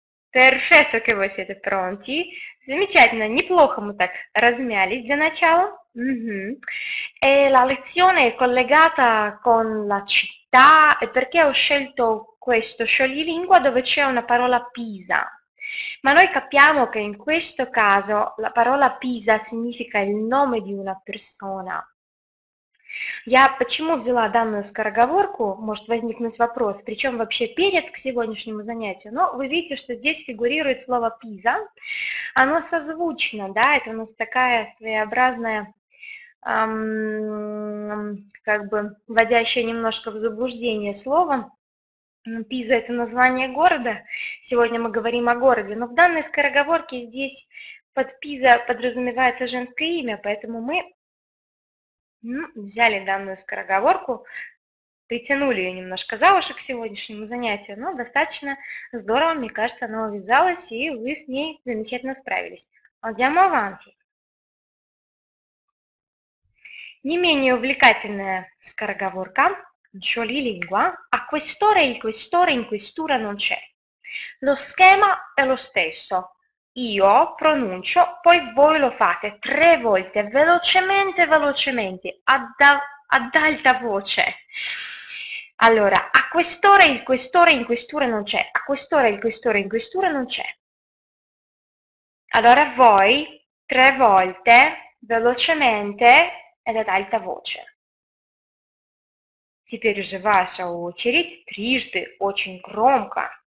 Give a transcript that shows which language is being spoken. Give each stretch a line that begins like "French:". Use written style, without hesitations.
Italian: Perfetto che voi siete pronti.
Russian: Замечательно, неплохо мы так размялись для начала.
Italian: E la lezione è collegata con la città. E perché ho scelto questo scioglilingua dove c'è una parola Pisa? Ma noi capiamo che in questo caso la parola Pisa significa il nome di una persona.
Russian: Я почему взяла данную скороговорку, может возникнуть вопрос, причем вообще перед к сегодняшнему занятию, но вы видите, что здесь фигурирует слово «пиза», оно созвучно, да, это у нас такая своеобразная, как бы вводящая немножко в заблуждение слово. «Пиза» – это название города, сегодня мы говорим о городе, но в данной скороговорке здесь под «пиза» подразумевается женское имя, поэтому мы взяли данную скороговорку, притянули ее немножко за уши к сегодняшнему занятию, но достаточно здорово, мне кажется, она увязалась, и вы с ней замечательно справились.
Italian: Andiamo avanti.
Russian: Не менее увлекательная скороговорка,
Italian: sciolilingua, a quest'ora il questore in questura non c'è. Lo schema è lo stesso. Io pronuncio, poi voi lo fate tre volte, velocemente, velocemente, ad alta voce. Allora, a quest'ora il questore in questura non c'è, a quest'ora il questore in questura non c'è. Allora voi tre volte, velocemente ed ad alta voce.
Russian: Теперь уже ваша очередь, трижды, очень громко.